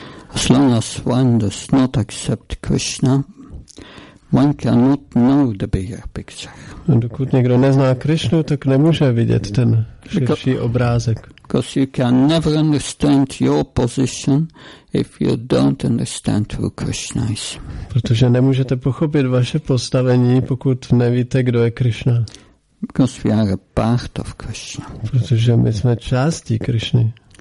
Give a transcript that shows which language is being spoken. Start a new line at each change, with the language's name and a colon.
English: As long as one does not accept Krishna, one cannot know the bigger picture.
Czech: Dokud někdo nezná Krishnu, tak nemůže vidět ten širší obrázek.
English: Because you can never understand your position if you don't understand who Krishna is.
Czech: Protože nemůžete pochopit vaše postavení, pokud nevíte, kdo je Krishna.
English: Because we are a part of Krishna.
Czech: Protože my jsme částí Krishny.